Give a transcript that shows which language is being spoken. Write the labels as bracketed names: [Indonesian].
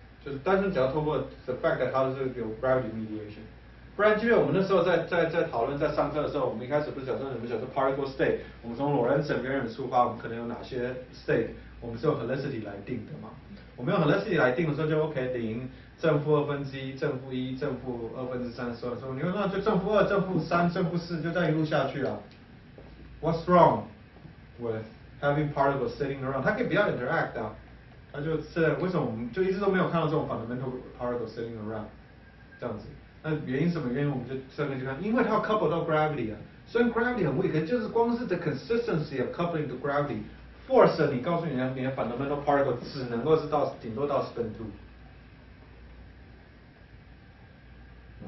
[Chinese] 就是单纯只要透过 [English] the fact that [Chinese] 它是有 gravity mediation， 不然，因为我们那时候在讨论在上课的时候，我们一开始不是讲说什么叫做 particle state， 我们从 Lorentz invariant 出发，我们可能有哪些 state， 我们是用 helicity 来定的嘛？我们用 helicity 来定的时候就 OK 零。正负二分之一，正负一，正负二分之三，所以说你说那就正负二，正负三，正负四，就这样一路下去啊。 [English] What's wrong with having particles sitting around？ [Chinese] 它可以比较 interact 啊，它就是为什么我们就一直都没有看到这种 [English] fundamental particles sitting around [Chinese] 这样子？那原因什么原因？我们就上面去看，因为它要 couple 到 gravity 啊，虽然 gravity 很 weak， 就是光是 [English] the consistency of coupling to gravity [Chinese] force 你告诉你你的 fundamental particle 只能够是到顶多到 spin 2。